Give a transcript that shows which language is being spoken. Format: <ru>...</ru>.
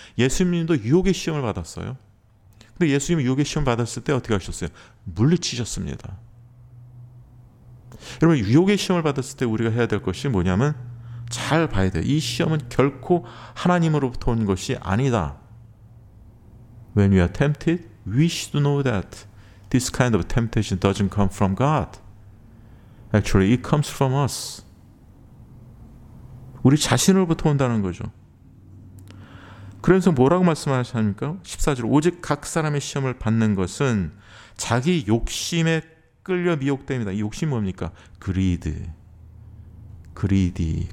<ko>예수님도 유혹의 시험을 받았어요. 근데 예수님이 유혹의 시험 받았을 때 어떻게 하셨어요? 물리치셨습니다. 여러분, 유혹의 시험을 받았을 때 우리가 해야 될 것이 뭐냐면 잘 봐야 돼요. 이 시험은 결코 하나님으로부터 온 것이 아니다.</ko> <en>When we are tempted, we should know that this kind of temptation doesn't come from God. Actually, it comes from us.</en> <ko>우리 자신으로부터 온다는 거죠. 그래서 뭐라고 말씀하십니까? 14절, 오직 각 사람의 시험을 받는 것은 자기 욕심에 끌려 미혹됩니다. 이 욕심 뭡니까? Greed. Greedy.</ko>